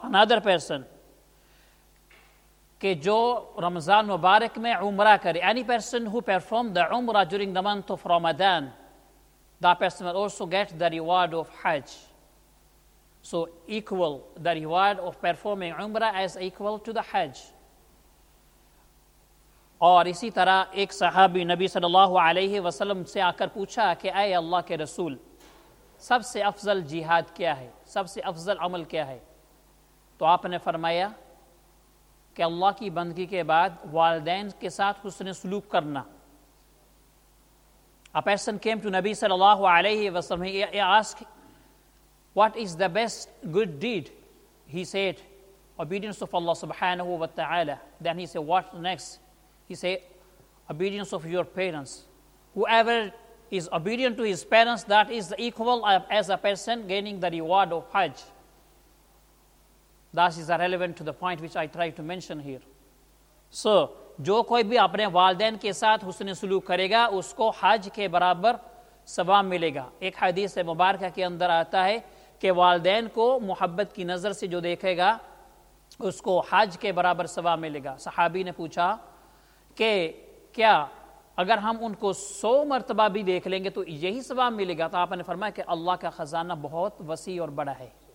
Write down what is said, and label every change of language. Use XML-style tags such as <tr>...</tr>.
<en>Another person,</en> <ur>کہ جو رمضان مبارک میں عمرہ کرے,</ur> <en>any person who performed the Umrah during the month of Ramadan, that person will also get the reward of Hajj. So equal, the reward of performing Umrah as equal to the Hajj.</en> <ur>اور اسی طرح ایک صحابی نبی صلی اللہ علیہ وسلم سے آ کر پوچھا کہ اے اللہ کے رسول, سب سے افضل جہاد کیا ہے, سب سے افضل عمل کیا ہے؟ تو آپ نے فرمایا کہ اللہ کی بندگی کے بعد والدین کے ساتھ حسن سلوک کرنا.</ur> <en>A person came to Nabi sallallahu alayhi wa sallam, he asked, what is the best good deed? He said, obedience of Allah subhanahu wa ta'ala. Then he said, what next? He said, obedience of your parents. Whoever is obedient to his parents, that is equal as a person gaining the reward of Hajj. That is relevant to the point which I try to mention here.</en> <ur>So, جو کوئی بھی اپنے والدین کے ساتھ حسن سلوک کرے گا اس کو حج کے برابر ثواب ملے گا. ایک حدیث مبارکہ کے اندر آتا ہے کہ والدین کو محبت کی نظر سے جو دیکھے گا اس کو حج کے برابر ثواب ملے گا. صحابی نے پوچھا کہ کیا اگر ہم ان کو 100 مرتبہ بھی دیکھ لیں گے تو یہی ثواب ملے گا؟ تو آپ نے فرمایا کہ اللہ کا خزانہ بہت وسیع اور بڑا ہے.</ur>